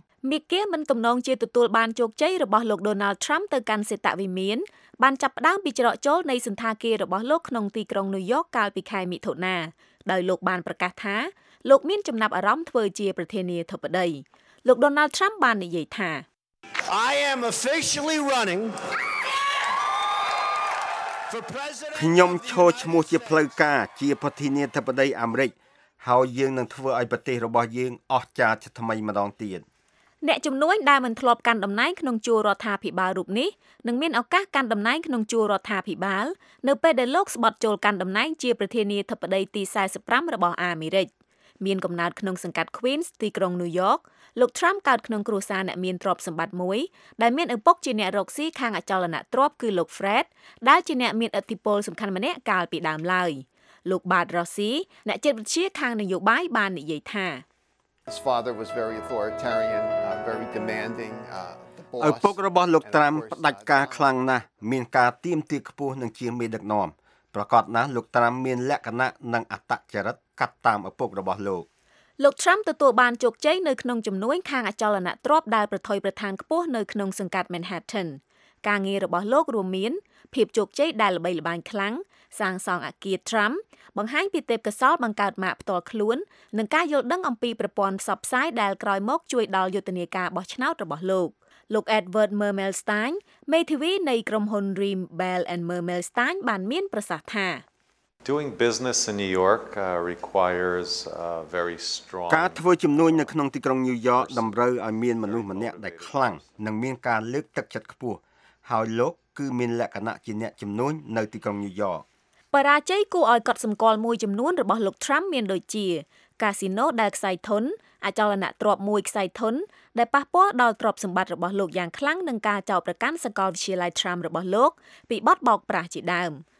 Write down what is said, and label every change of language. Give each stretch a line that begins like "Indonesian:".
Khmer: មីគាមិនទំនងជាទទួលបានជោគជ័យរបស់លោក Donald Trump ទៅកាន់សេតវិមានបានចាប់ផ្ដើមពីច្រកចូលនៃសន្តិការរបស់លោកក្នុងទីក្រុង New York កាលពីខែមិថុនាដោយលោកបានប្រកាសថាលោកមានចំណាប់អារម្មណ៍ធ្វើជាប្រធានាធិបតីលោក Donald Trump បាននិយាយថា
English: I am officially running
Khmer: ខ្ញុំឈរឈ្មោះជាផ្លូវការជាប្រធានាធិបតីអាមេរិក ហើយយើងនឹងធ្វើឲ្យប្រទេសរបស់យើងអស្ចារ្យថ្មីម្ដងទៀត អ្នកជំនួញដែលមិនធ្លាប់កាន់តំណែងក្នុងជួររដ្ឋាភិបាលរូបនេះនឹងមានឱកាសកាន់តំណែងក្នុងជួររដ្ឋាភិបាលនៅពេលដែលលោកស្បតចូលកាន់តំណែងជាប្រធានាធិបតីទី45របស់អាមេរិកមានកំណើតក្នុងសង្កាត់ Queens ទីក្រុង New York លោក Trump កើតក្នុងគ្រួសារអ្នកមានទ្រព្យសម្បត្តិមួយដែលមានឪពុកជាអ្នករកស៊ីខាងអចលនទ្រព្យគឺលោក Fred ដែលជាអ្នកមានឥទ្ធិពលសំខាន់ម្នាក់កាលពីដើមឡើយលោកបាត់រ៉ូស៊ីអ្នកចិត្តវិទ្យាខាងនយោបាយបាននិយាយថា
English: His father was very authoritarian, very demanding.
Khmer: អពុករបស់លោកត្រាំផ្ដាច់ការខ្លាំងណាស់មានការទៀមទាត់ខ្ពស់នឹងជាមេដឹកនាំប្រកបណាស់លោកត្រាំមានលក្ខណៈនិងអតចរិតកាត់តាមអពុករបស់លោក លោកត្រាំទទួលបានជោគជ័យនៅក្នុងជំនួយខាងអចលនទ្រព្យដែលប្រថុយប្រថានខ្ពស់នៅក្នុងសង្កាត់ Manhattan ការងាររបស់លោករួមមានភាពជោគជ័យដែលល្បីល្បាញខ្លាំងសាងសង់អគារត្រាំបង្ហាញពីទេពកោសល្យបង្កើតម៉ាកផ្ទាល់ខ្លួននិងការយល់ដឹងអំពីប្រព័ន្ធផ្សព្វផ្សាយដែលក្រោយមកជួយដល់យុទ្ធនាការបោះឆ្នោតរបស់លោកលោក Edward Mermelstein មេធាវីនៃក្រុមហ៊ុន Rim Bell and Mermelstein បានមានប្រសាសន៍ថា
English: Doing business in New York requires a very strong
Khmer: ការធ្វើជំនួញនៅក្នុងទីក្រុង New York តម្រូវឲ្យមានមនុស្សម្នាក់ដែលខ្លាំងនិងមានការលើកទឹកចិត្តខ្ពស់ហើយលោកគឺមានលក្ខណៈជាអ្នកជំនួញនៅទីក្រុង New York បរាជ័យគួរឲ្យកត់សម្គាល់មួយចំនួនរបស់លោកត្រាំមានដូចជាកាស៊ីណូដែលខ្សែធនអចលនទ្រព្យមួយខ្សែធនដែលប៉ះពាល់ដល់ទ្រព្យសម្បត្តិរបស់លោកយ៉ាងខ្លាំងនឹងការចោទប្រកាន់សកលវិទ្យាល័យត្រាំរបស់លោកពីបទបោកប្រាស់ជាដើម